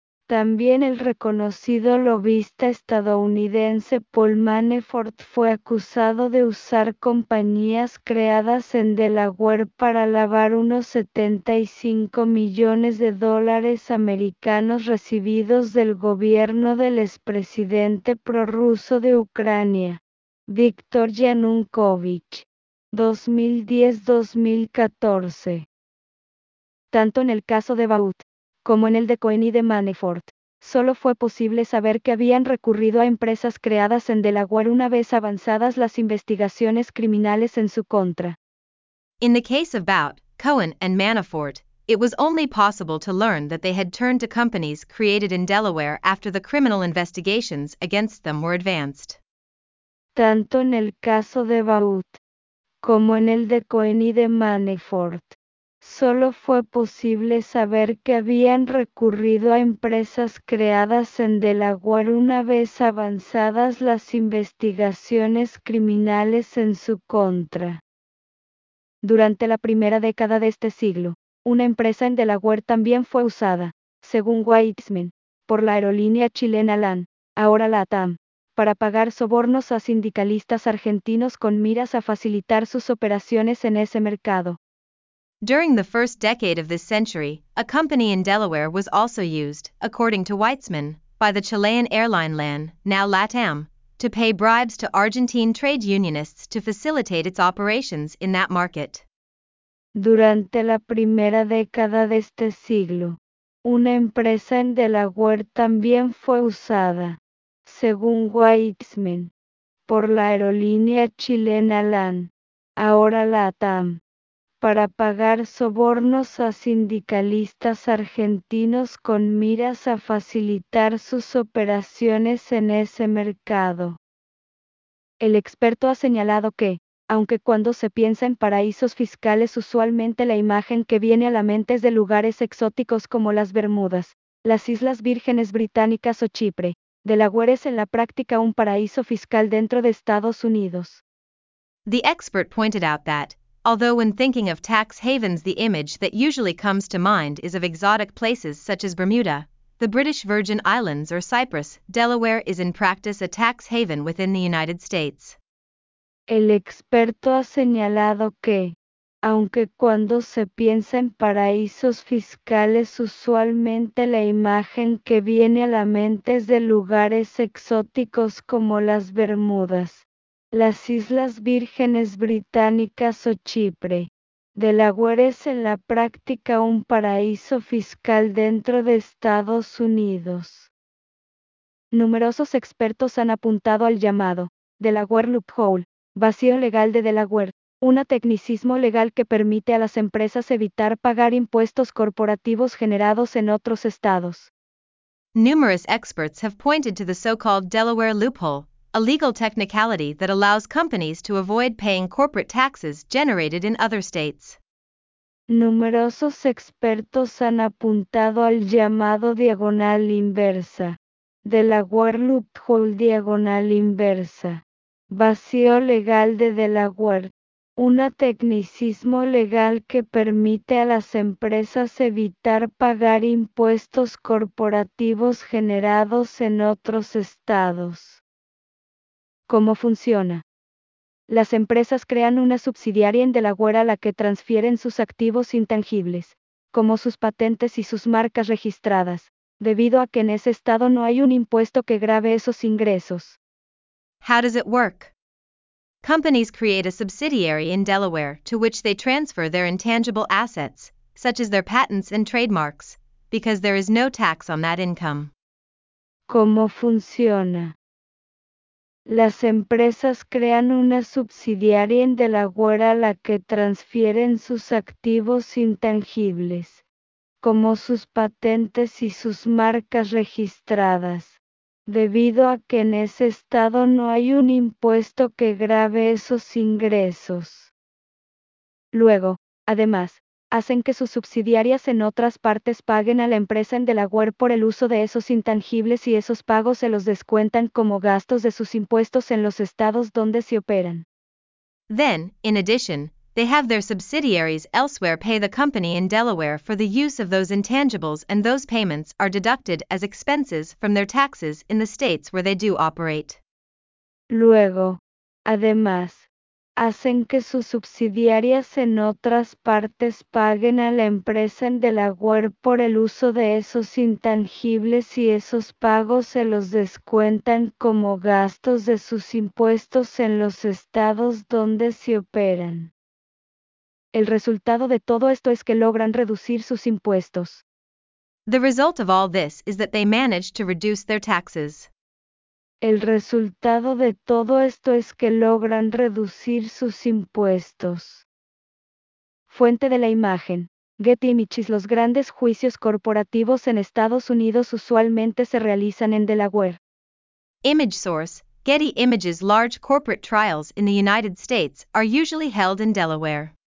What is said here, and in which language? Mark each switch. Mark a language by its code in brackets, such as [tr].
[es] También el reconocido lobista estadounidense Paul Manafort fue acusado de usar compañías creadas en Delaware para lavar unos 75 millones de dólares americanos recibidos del gobierno del expresidente prorruso de Ucrania, Viktor Yanukovych, 2010-2014. Tanto en el caso de Baut como en el de Cohen y de Manafort, solo fue posible saber que habían recurrido a empresas creadas en Delaware una vez avanzadas las investigaciones criminales en su contra. [en] In the case of Bout, Cohen and Manafort, it was only possible to learn that they had turned to companies created in Delaware after the criminal investigations against them were advanced. [es] Tanto en el caso de Bout como en el de Cohen y de Manafort, solo fue posible saber que habían recurrido a empresas creadas en Delaware una vez avanzadas las investigaciones criminales en su contra. Durante la primera década de este siglo, una empresa en Delaware también fue usada, según Weitzman, por la aerolínea chilena LAN, ahora LATAM, para pagar sobornos a sindicalistas argentinos con miras a facilitar sus operaciones en ese mercado. [en] During the first decade of this century, a company in Delaware was also used, according to Weitzman, by the Chilean airline LAN, now LATAM, to pay bribes to Argentine trade unionists to facilitate its operations in that market. [es] Durante la primera década de este siglo, una empresa en Delaware también fue usada, según Weitzman, por la aerolínea chilena LAN, ahora LATAM, para pagar sobornos a sindicalistas argentinos con miras a facilitar sus operaciones en ese mercado. El experto ha señalado que, aunque cuando se piensa en paraísos fiscales usualmente la imagen que viene a la mente es de lugares exóticos como las Bermudas, las Islas Vírgenes Británicas o Chipre, Delaware es en la práctica un paraíso fiscal dentro de Estados Unidos. [en] The expert pointed out that, although when thinking of tax havens the image that usually comes to mind is of exotic places such as Bermuda, the British Virgin Islands or Cyprus, Delaware is in practice a tax haven within the United States. [es] El experto ha señalado que, aunque cuando se piensa en paraísos fiscales usualmente la imagen que viene a la mente es de lugares exóticos como las Bermudas, las Islas Vírgenes Británicas o Chipre, Delaware es en la práctica un paraíso fiscal dentro de Estados Unidos. Numerosos expertos han apuntado al llamado Delaware Loophole, vacío legal de Delaware, un tecnicismo legal que permite a las empresas evitar pagar impuestos corporativos generados en otros estados. [en] Numerous experts have pointed to the so-called Delaware loophole, a legal technicality that allows companies to avoid paying corporate taxes generated in other states. [es] Numerosos expertos han apuntado al llamado diagonal inversa, Delaware loophole diagonal inversa, vacío legal de Delaware. Un tecnicismo legal que permite a las empresas evitar pagar impuestos corporativos generados en otros estados. ¿Cómo funciona? Las empresas crean una subsidiaria en Delaware a la que transfieren sus activos intangibles, como sus patentes y sus marcas registradas, debido a que en ese estado no hay un impuesto que grave esos ingresos. [en] How does it work? Companies create a subsidiary in Delaware to which they transfer their intangible assets, such as their patents and trademarks, because there is no tax on that income. [es] ¿Cómo funciona? Las empresas crean una subsidiaria en Delaware a la que transfieren sus activos intangibles, como sus patentes y sus marcas registradas, debido a que en ese estado no hay un impuesto que grave esos ingresos. Luego, además, hacen que sus subsidiarias en otras partes paguen a la empresa en Delaware por el uso de esos intangibles y esos pagos se los descuentan como gastos de sus impuestos en los estados donde se operan. [en] Then, in addition, they have their subsidiaries elsewhere pay the company in Delaware for the use of those intangibles, and those payments are deducted as expenses from their taxes in the states where they do operate. [es] Luego, además, hacen que sus subsidiarias en otras partes paguen a la empresa en Delaware por el uso de esos intangibles y esos pagos se los descuentan como gastos de sus impuestos en los estados donde se operan. El resultado de todo esto es que logran reducir sus impuestos. [en] The result of all this is that they manage to reduce their taxes. [es] El resultado de todo esto es que logran reducir sus impuestos. Fuente de la imagen. Getty Images. Los grandes juicios corporativos en Estados Unidos usualmente se realizan en Delaware. [en] Image source. Getty Images. Large corporate trials in the United States are usually held in Delaware.